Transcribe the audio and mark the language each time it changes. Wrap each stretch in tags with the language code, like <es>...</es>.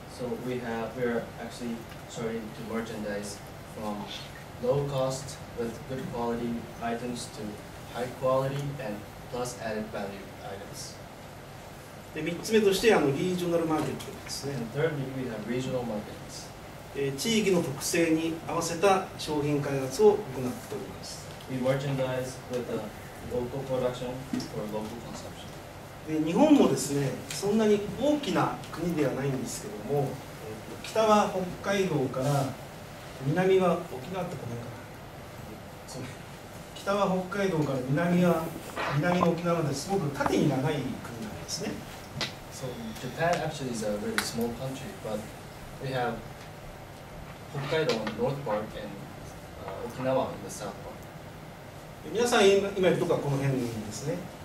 <en>So we are actually starting to merchandise from low cost with good quality items to high quality and plus added value items.</en> <ja>で3つ目としてリージョナルマーケットですね。</ja> <en>Thirdly, we have regional markets.</en> <ja>地域の特性に合わせた商品開発を行っております。</ja> <en>We merchandise with a local production for local consumption.</en> <ja>で日本もですね、そんなに大きな国ではないんですけども、北は北海道から南は沖縄ってこないかな。北は北海道から南沖縄まですごく縦に長い国なんですね。</ja> <en>So Japan actually is a very small country, but we have Hokkaido on the north part and Okinawa on the south part.</en> <ja>皆さん今いるとこはこの辺ですね。</ja>